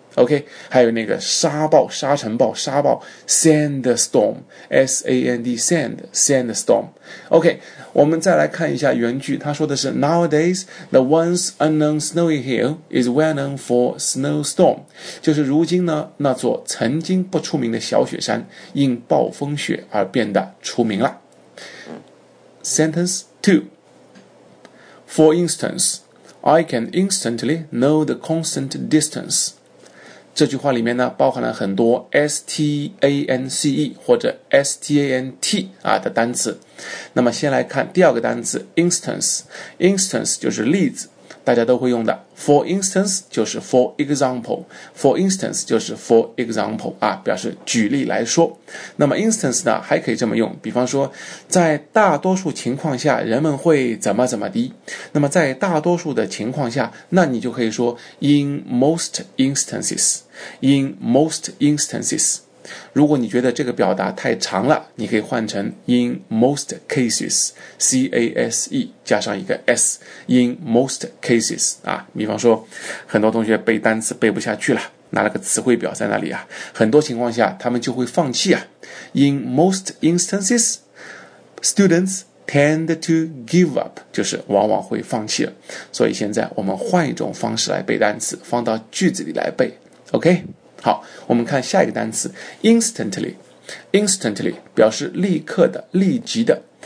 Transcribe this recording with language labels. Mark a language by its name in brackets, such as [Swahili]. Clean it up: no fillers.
[Chinese] OK， 还有那个沙暴，沙尘暴，沙暴 sandstorm， S-A-N-D， sand， sandstorm。 OK，我们再来看一下原句，他说的是 [English] Nowadays, the once unknown snowy hill is well known for snowstorm， [Chinese] 就是如今呢那座曾经不出名的小雪山因暴风雪而变得出名了。 [English] Sentence 2， For instance, I can instantly know the constant distance。 [Chinese] 这句话里面呢包含了很多 S-T-A-N-C-E 或者 S-T-A-N-T 啊的单词。那么先来看第二个单词 instance， instance 就是例子，大家都会用的， [English] for instance [Chinese] 就是 [English] for example， [Chinese] for instance 就是 for example 啊，表示举例来说。那么 instance 呢还可以这么用，比方说在大多数情况下人们会怎么怎么的，那么在大多数的情况下，那你就可以说 [English] in most instances， [Chinese] in most instances。如果你觉得这个表达太长了，你可以换成 [English] in most cases， [Chinese] C-A-S-E 加上一个 S， in most cases 啊。比方说很多同学背单词背不下去了，拿了个词汇表在那里啊，很多情况下他们就会放弃啊。 [English] In most instances students tend to give up， [Chinese] 就是往往会放弃了。所以现在我们换一种方式来背单词，放到句子里来背。 OK，好，我们看下一个单词 instantly， instantly 表示立刻的，立即的。